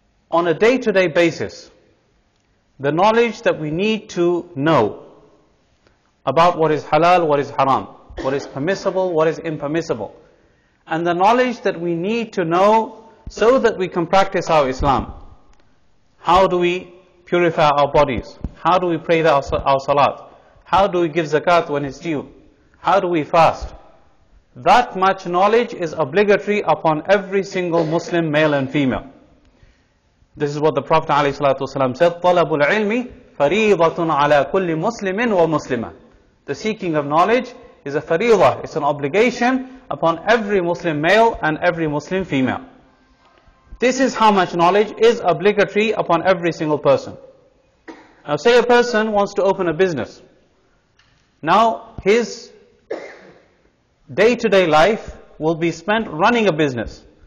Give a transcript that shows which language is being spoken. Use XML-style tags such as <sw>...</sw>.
<en>On a day-to-day basis, the knowledge that we need to know about what is halal, what is haram, what is permissible, what is impermissible, and the knowledge that we need to know so that we can practice our Islam. How do we purify our bodies? How do we pray our salat? How do we give zakat when it's due? How do we fast? That much knowledge is obligatory upon every single Muslim, male and female. This is what the Prophet ﷺ said,</en> <ar>طلب العلم فريضة على كل مسلم ومسلمة.</ar> <en>The seeking of knowledge is a fariḍah, it's an obligation upon every Muslim male and every Muslim female. This is how much knowledge is obligatory upon every single person. Now say a person wants to open a business. Now his day-to-day life will be spent running a business.</en>